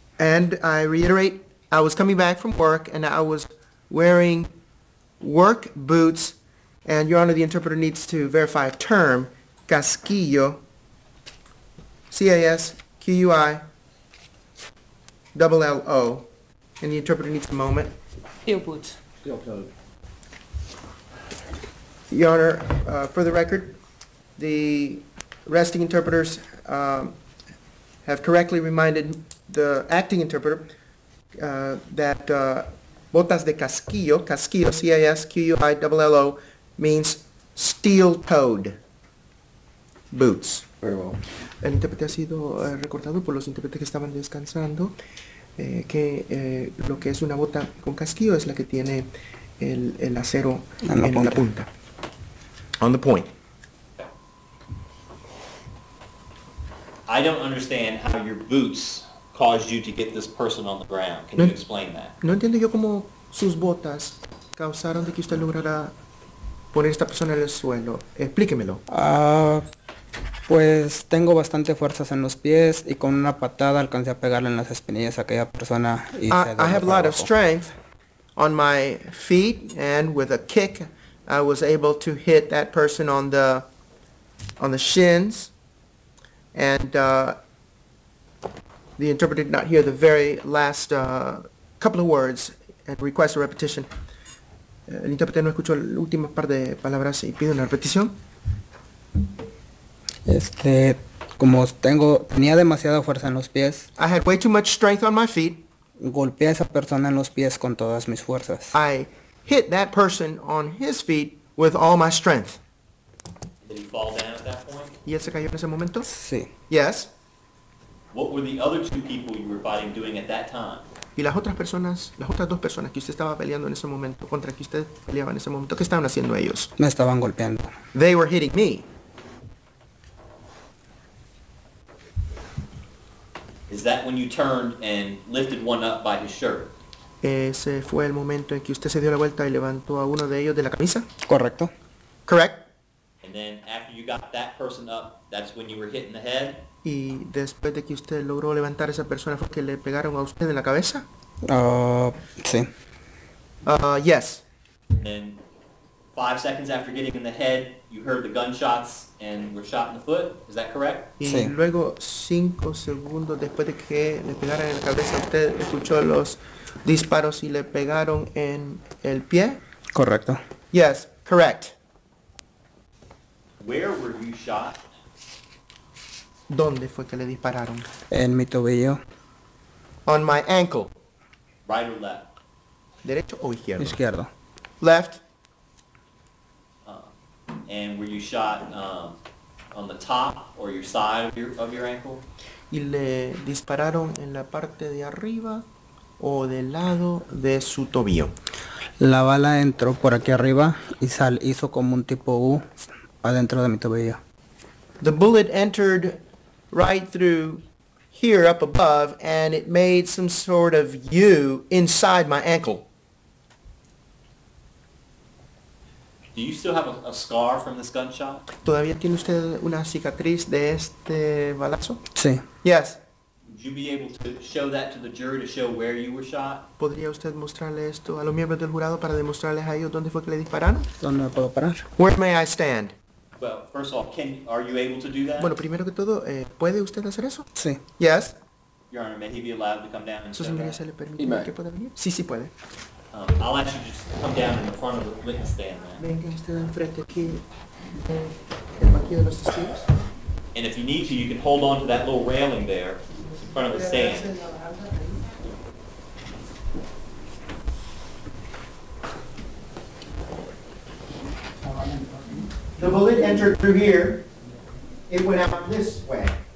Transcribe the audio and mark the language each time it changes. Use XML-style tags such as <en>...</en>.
<en>And I reiterate, I was coming back from work and I was wearing work boots. And Your Honor, the interpreter needs to verify a term, casquillo, CASQUILLO. And the interpreter needs a moment. Steel boots. Your Honor, for the record, the resting interpreters have correctly reminded the acting interpreter that botas de casquillo, casquillo, CASQUILLO, means steel-toed boots. Very well.</en> <es>El intérprete ha sido recordado por los intérpretes que estaban descansando. Lo que es una bota con casquillo es la que tiene el acero en la punta.</es> <en>On the point. I don't understand how your boots caused you to get this person on the ground. Can you explain that?</en> <es>No entiendo yo cómo sus botas causaron de que usted lograra poner esta persona en el suelo. Explíquemelo. Pues tengo bastante fuerzas en los pies y con una patada alcancé a pegarle en las espinillas a aquella persona y</es> <en>I have a lot of strength on my feet and with a kick I was able to hit that person on the shins and the interpreter did not hear the very last couple of words and request a repetition.</en> <es>El intérprete no escuchó el último par de palabras y pide una repetición. Como tenía demasiada fuerza en los pies.</es> <en>I had way too much strength on my feet.</en> <es>Golpeé a esa persona en los pies con todas mis fuerzas.</es> <en>I hit that person on his feet with all my strength. Did he fall down at that point?</en> <es>¿Y él se cayó en ese momento? Sí.</es> <en>Yes. What were the other two people you were fighting doing at that time?</en> <es>¿Y las otras dos personas que usted estaba peleando en ese momento, contra que usted peleaba en ese momento, qué estaban haciendo ellos? Me estaban golpeando.</es> <en>They were hitting me. Is that when you turned and lifted one up by his shirt?</en> <es>Ese fue el momento en que usted se dio la vuelta y levantó a uno de ellos de la camisa. Correcto.</es> <en>Correct. And then after you got that person up, that's when you were hitting the head.</en> <es>Y después de que usted logró levantar a esa persona, ¿fue que le pegaron a usted en la cabeza? Sí.</es> <en>Yes. And 5 seconds after getting in the head, you heard the gunshots and were shot in the foot. Is that correct?</en> <es>Y sí. Luego 5 segundos después de que le pegaran en la cabeza, usted escuchó los disparos y le pegaron en el pie. Correcto.</es> <en>Yes, correct. Where were you shot?</en> <es>¿Dónde fue que le dispararon? En mi tobillo.</es> <en>On my ankle. Right or left?</en> <es>¿Derecho o izquierdo? Izquierdo.</es> <en>Left. And were you shot on the top or your side of your ankle?</en> <es>¿Y le dispararon en la parte de arriba o del lado de su tobillo? La bala entró por aquí arriba y hizo como un tipo U adentro de mi tobillo.</es> <en>The bullet entered right through here up above and it made some sort of U inside my ankle. Do you still have a scar from this gunshot?</en> <es>¿Todavía tiene usted una cicatriz de este balazo? Sí.</es> <en>Yes. Would you be able to show that to the jury to show where you were shot?</en> <es>¿Podría usted mostrarle esto a los miembros del jurado para demostrarles a ellos dónde fue que le dispararon? ¿Dónde puedo parar?</es> <en>Where may I stand? Well, first of all, are you able to do that?</en> <es>Bueno, primero que todo, ¿puede usted hacer eso? Sí.</es> <en>Yes. Your Honor, may he be allowed to come down and</en> <es>Su señoría se le permite que pueda venir? Sí, sí puede.</es> <en>I'll ask you to just come down in the front of the witness stand, ma'am.</en> <es>Venga usted enfrente aquí en el banquillo de los testigos.</es> <en>And if you need to, you can hold on to that little railing there in front of the stand. The bullet entered through here. It went out this way.</en>